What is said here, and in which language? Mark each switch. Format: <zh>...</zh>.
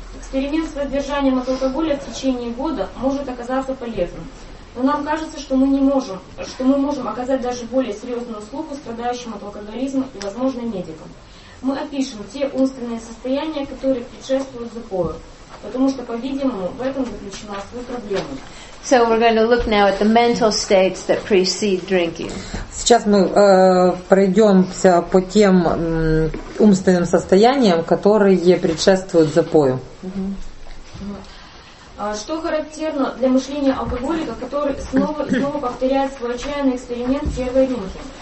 <ru>Эксперимент с воздержанием от алкоголя в течение года может оказаться полезным. Но нам кажется, что мы можем оказать даже более серьезную услугу страдающим от алкоголизма и, возможно, медикам. Мы опишем те умственные состояния, которые предшествуют запою, потому что, по-видимому, в этом заключена суть проблемы.</ru> <en>So we're going to look now at the mental states that precede drinking.</en> <ru>Сейчас мы пройдемся по тем умственным состояниям, которые предшествуют запою. Что характерно для мышления алкоголика, который снова и снова повторяет свой отчаянный эксперимент первой рюмки?</ru>